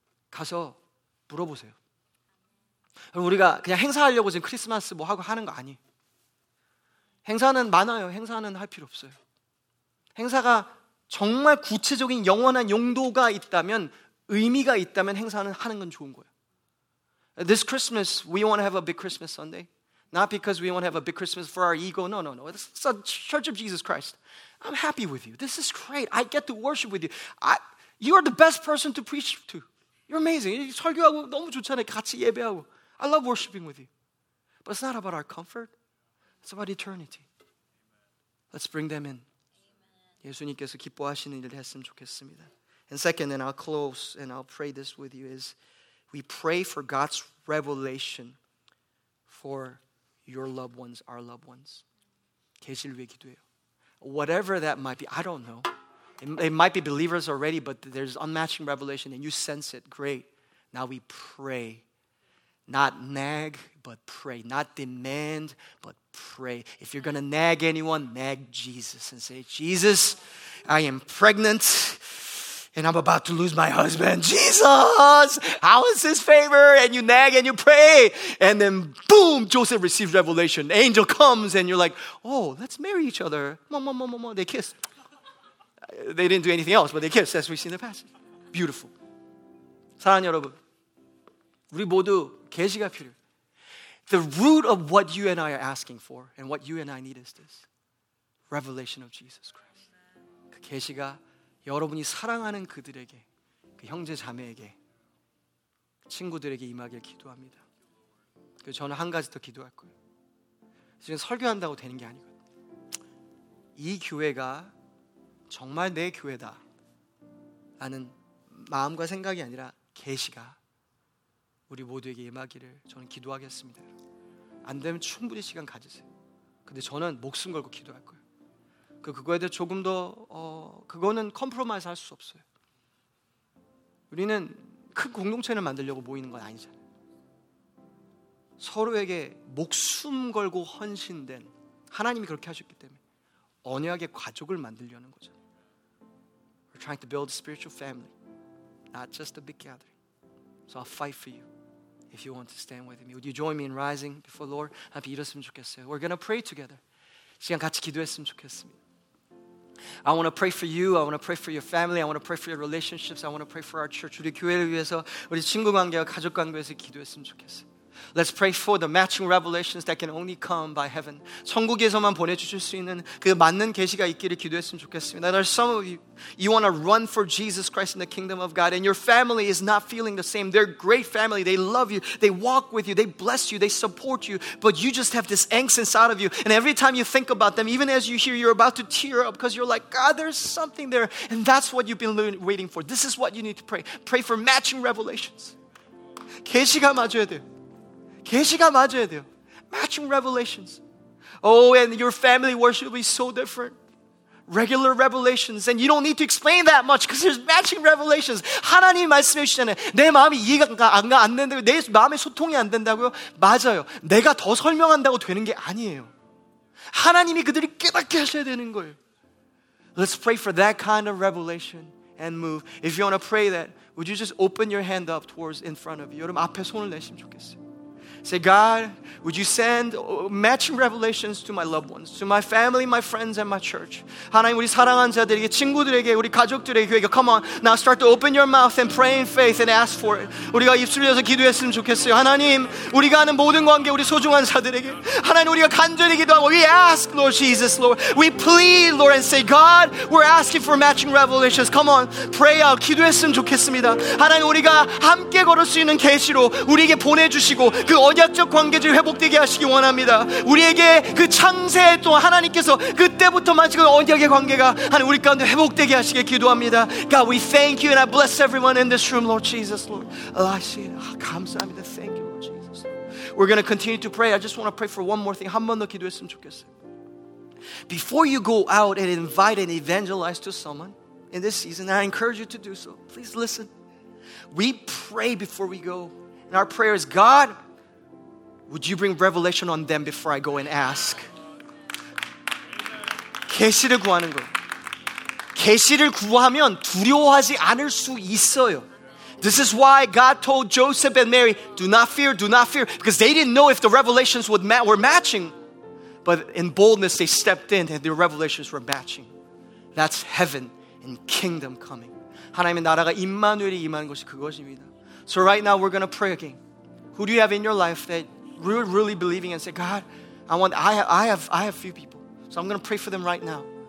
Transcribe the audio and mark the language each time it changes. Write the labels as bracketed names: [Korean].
[Korean] 가서 물어보세요. 여러분 우리가 그냥 행사하려고 지금 크리스마스 뭐 하고 하는 거 아니에요. 행사는 많아요. 행사는 할 필요 없어요. 행사가 정말 구체적인 영원한 용도가 있다면, 의미가 있다면 행사는 하는 건 좋은 거예요. [English] This Christmas, we want to have a big Christmas Sunday. Not because we want to have a big Christmas for our ego. No, no, no. It's a church of Jesus Christ. I'm happy with you. This is great. I get to worship with you. You are the best person to preach to. You're amazing. [Korean] 설교하고 너무 좋잖아요. 같이 예배하고. [English] I love worshiping with you. But it's not about our comfort. It's about eternity. Let's bring them in. [Korean] 예수님께서 기뻐하시는 일을 했으면 좋겠습니다. [English] And second, and I'll close, and I'll pray this with you, is we pray for God's revelation for your loved ones, our loved ones. [Korean] 계시를 위해 기도해요. [English] Whatever that might be, I don't know. It might be believers already, but there's unmatching revelation, and you sense it, great. Now we pray. Not nag, but pray. Not demand, but pray. If you're going to nag anyone, nag Jesus and say, Jesus, I am pregnant and I'm about to lose my husband. Jesus, how is his favor? And you nag and you pray. And then boom, Joseph receives revelation. Angel comes and you're like, oh, let's marry each other. Mom, mom, mom, mom, mom. They kiss. They didn't do anything else, but they kiss, as we've seen in the past. Beautiful. [Korean] 사랑 여러분, 우리 모두 계시가 필요해. [English] The root of what you and I are asking for and what you and I need is this. Revelation of Jesus Christ. [Korean] 그 계시가 여러분이 사랑하는 그들에게, 그 형제 자매에게, 친구들에게 임하길 기도합니다. 그리고 저는 한 가지 더 기도할 거예요. 지금 설교한다고 되는 게 아니거든요. 이 교회가 정말 내 교회다 라는 마음과 생각이 아니라 계시가 우리 모두에게 임하기를 저는 기도하겠습니다. 안 되면 충분히 시간 가지세요. 근데 저는 목숨 걸고 기도할 거예요. 그거에 대해 조금 더 그거는 컴프로마이즈 할 수 없어요. 우리는 큰 공동체를 만들려고 모이는 건 아니잖아요. 서로에게 목숨 걸고 헌신된 하나님이 그렇게 하셨기 때문에 언약의 가족을 만들려는 거잖아요. [English] We're trying to build a spiritual family, not just a big gathering. So I'll fight for you if you want to stand with me. Would you join me in rising before the Lord? [Korean] 함께 일었으면 좋겠어요. [English] We're going to pray together. [Korean] 시간 같이 기도했으면 좋겠습니다. [English] I want to pray for you. I want to pray for your family. I want to pray for your relationships. I want to pray for our church. [Korean] 우리 교회를 위해서, 우리 친구 관계와 가족 관계에서 기도했으면 좋겠어요. [English] Let's pray for the matching revelations that can only come by heaven. [Korean] 천국에서만 보내주실 수 있는 그 맞는 계시가 있기를 기도했으면 좋겠습니다. [English] There are some of you, you want to run for Jesus Christ in the kingdom of God, and your family is not feeling the same. They're a great family. They love you. They walk with you. They bless you. They support you. But you just have this angst inside of you. And every time you think about them, even as you hear, you're about to tear up because you're like, God, there's something there. And that's what you've been waiting for. This is what you need to pray. Pray for matching revelations. [Korean] 계시가 맞아야 돼요. 계시가 맞아야 돼요. [English] Matching revelations. Oh, and your family worship will be so different. Regular revelations. And you don't need to explain that much because there's matching revelations. [Korean] 하나님 말씀해 주시잖아요. 내 마음이 이해가 안 된다고, 내 마음의 소통이 안 된다고요? 맞아요. 내가 더 설명한다고 되는 게 아니에요. 하나님이 그들이 깨닫게 하셔야 되는 거예요. [English] Let's pray for that kind of revelation and move. If you want to pray that, would you just open your hand up towards in front of you? [Korean] 여러분 앞에 손을 내시면 좋겠어요. [English] Say, God, would you send matching revelations to my loved ones, to my family, my friends, and my church. [Korean] 하나님, 우리 사랑하는 자들에게, 친구들에게, 우리 가족들에게, 교회에게, [English] come on, now start to open your mouth and pray in faith and ask for it. [Korean] 우리가 입술을 열어서 기도했으면 좋겠어요. 하나님, 우리가 하는 모든 관계, 우리 소중한 자들에게. 하나님, 우리가 간절히 기도하고, [English] we ask, Lord Jesus, Lord. We plead, Lord, and say, God, we're asking for matching revelations. Come on, pray out, [Korean] 기도했으면 좋겠습니다. 하나님, 우리가 함께 걸을 수 있는 계시로 우리에게 보내주시고, 그 언약적 관계를 회복되게 하시기 원합니다. 우리에게 그 창세 동안 하나님께서 그때부터 마치고 언약의 관계가 하나님 우리 가운데 회복되게 하시길 기도합니다. [English] God, we thank you and I bless everyone in this room, Lord Jesus, Lord. Oh, I see it. Oh, [Korean] 감사합니다. [English] Thank you, Lord Jesus. We're going to continue to pray. I just want to pray for one more thing. [Korean] 한 번 더 기도했으면 좋겠어요. [English] Before you go out and invite and evangelize to someone in this season, I encourage you to do so. Please listen. We pray before we go. And our prayer is, God, would you bring revelation on them before I go and ask? [Korean] 계시를 구하는 거예요. 계시를 구하면 두려워하지 않을 수 있어요. [English] This is why God told Joseph and Mary, do not fear, do not fear. Because they didn't know if the revelations would were matching. But in boldness, they stepped in and their revelations were matching. That's heaven and kingdom coming. [Korean] 하나님의 나라가 임마누엘이 임하는 것이 그것입니다. [English] So right now, we're going to pray again. Who do you have in your life that really believing and say, God, I have few people. So I'm going to pray for them right now.